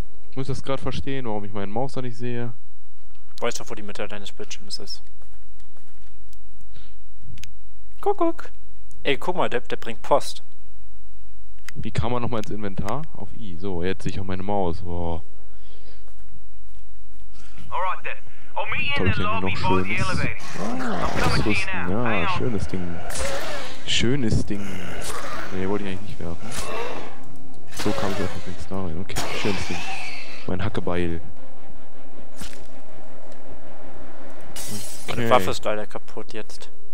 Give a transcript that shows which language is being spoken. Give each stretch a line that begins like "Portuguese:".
German: Ich muss das gerade verstehen, warum ich meine Maus da nicht sehe. Weißt du, wo die Mitte deines Bildschirms ist? Guck. Ey, guck mal, der bringt Post. Wie kam man nochmal ins Inventar? Auf I. So, jetzt sehe ich auch meine Maus. Boah.
English: Alright, then. Oh, me and the lobby boy, the elevator.
German: Ja, schönes Ding. Schönes Ding. Nee, wollte ich eigentlich nicht werfen. So kam ich einfach ins Star rein. Okay, schönes Ding. Mein Hackebeil. Okay. Meine Waffe ist leider kaputt jetzt.